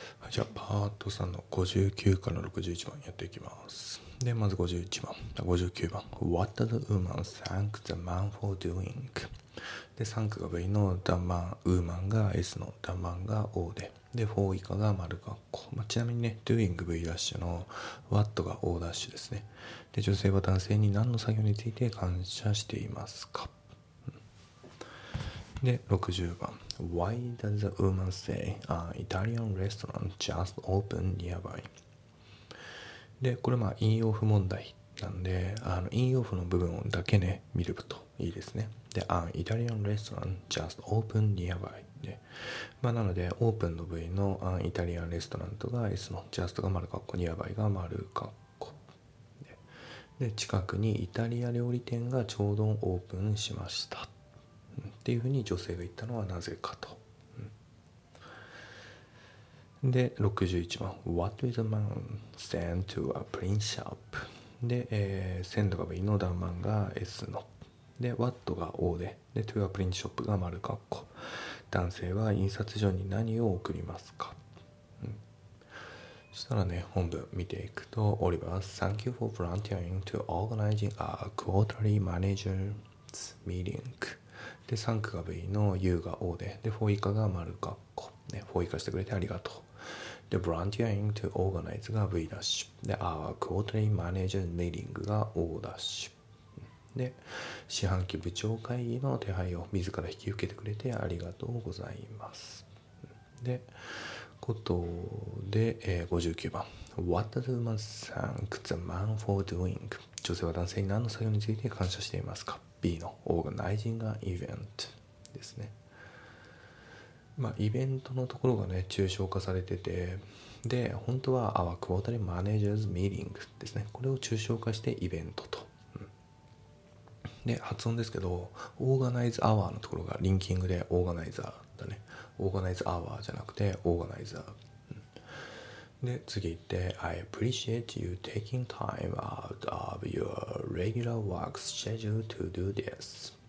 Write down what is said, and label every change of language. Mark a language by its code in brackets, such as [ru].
[ja] じゃあパート3の59から61番やっていきます。でまず59番 [en] What does the woman thank the man for doing? [ja] で thank が V の the man、 woman が S の the man が O で、で for 以下が丸括弧、まあ、ちなみにね doing V ダッシュの what が O ダッシュですね。で女性は男性に何の作業について感謝していますか。で60番 [en] Why does the woman say an Italian restaurant just opened nearby? [ja] でこれまあ引用符問題なんで、あの引用符の部分だけね見るといいですね。で [en] an Italian restaurant just opened nearby [ja] で、まあ、なのでオープンの部位の an Italian restaurant が S の just が丸括弧、 nearby が丸括弧 で近くにイタリア料理店がちょうどオープンしましたっていうふうに女性が言ったのはなぜかと。で61番 [en] What did the man send to a print shop? [ja] で、send が V の the man が S ので、 what が O で、 で to a print shop が丸括弧、男性は印刷所に何を送りますか。 [en] そしたらね本文見ていくと、オリバー Thank you for volunteering to organizing a quarterly manager's meeting。 [ja] で、サンクが V の U が O で、で、フォー以下が丸括弧。ね、フォー以下してくれてありがとう。で、ボランティアイングトゥオーガナイズが V ダッシュ。で、 [en] our quarterly manager meeting [ja] が O ダッシュ。で、四半期部長会議の手配を自ら引き受けてくれてありがとうございます。で、ことで、59番。 [en] What does the woman thank the man for doing? [ja] 女性は男性に何の作業について感謝していますか。B のオーガナイジングイベントですね。まあイベントのところがね抽象化されてて、で本当は [en] our quarterly managers meeting [ja] ですね、これを抽象化してイベントと、うん、で発音ですけど、オーガナイズアワーのところがリンキングでオーガナイザーだね、オーガナイズアワーじゃなくてオーガナイザー、うん、で次行って [en] I appreciate you taking time out of your regular work schedule to do this。